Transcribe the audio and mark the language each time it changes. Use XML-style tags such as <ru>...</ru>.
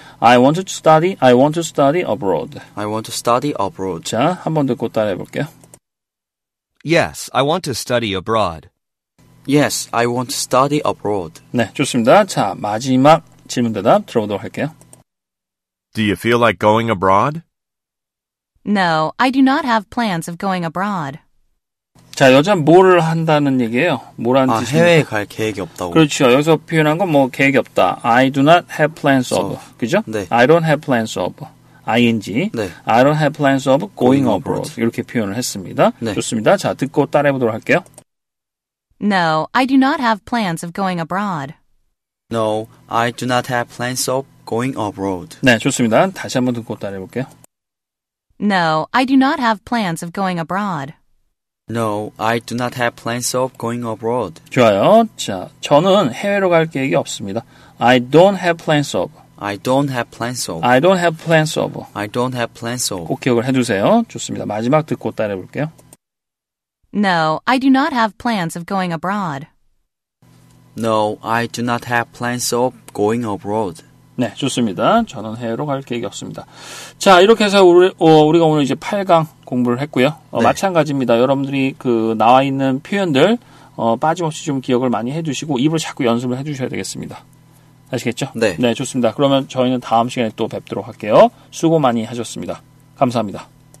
<en>I want to study. I want to study abroad. I want to study abroad.</en> <ko>자, 한 번 듣고 따라해 볼게요.</ko> <en>Yes, I want to study abroad. Yes, I want to study abroad.</en> <ko>네, 좋습니다. 자, 마지막 질문 대답 들어보도록 할게요.</ko> <en>Do you feel like going abroad? No, I do not have plans of going abroad.</en> <ko>자, 여자는 뭐를 한다는 얘기예요? 뭐라는 뜻이 해외에 갈 계획이 없다고. 그렇죠. 여기서 표현한 건 뭐 계획이 없다.</ko> <en>I do not have plans of.</en> <ko>그죠? 네.</ko> <en>I don't have plans of. ing.</en> <ko>네.</ko> <en>I don't have plans of going abroad.</en> <ko>이렇게 표현을 했습니다. 네. 좋습니다. 자, 듣고 따라해 보도록 할게요.</ko> <en>No, I do not have plans of going abroad. No, I do not have plans of going abroad.</en> <ko>네, 좋습니다. 다시 한번 듣고 따라해 볼게요. No, I do not have plans of going abroad. No, I do not have plans of going abroad. 좋아요. 자, 저는 해외로 갈 계획이 없습니다.</ko> <en>I don't have plans of. I don't have plans of. I don't have plans of. I don't have plans of.</en> <ko>꼭 기억을 해두세요. 좋습니다. 마지막 듣고 따라해 볼게요.</ko> <en>No, I do not have plans of going abroad. No, I do not have plans of going abroad.</en> <ko>네, 좋습니다. 저는 해외로 갈 계획이 없습니다. 자, 이렇게 해서 우리가 오늘 이제 8강 공부를 했고요. 네. 마찬가지입니다. 여러분들이 그 나와 있는 표현들 빠짐없이 좀 기억을 많이 해주시고 입으로 자꾸 연습을 해주셔야 되겠습니다. 아시겠죠? 네. 네, 좋습니다. 그러면 저희는 다음 시간에 또 뵙도록 할게요. 수고 많이 하셨습니다. 감사합니다.</ko>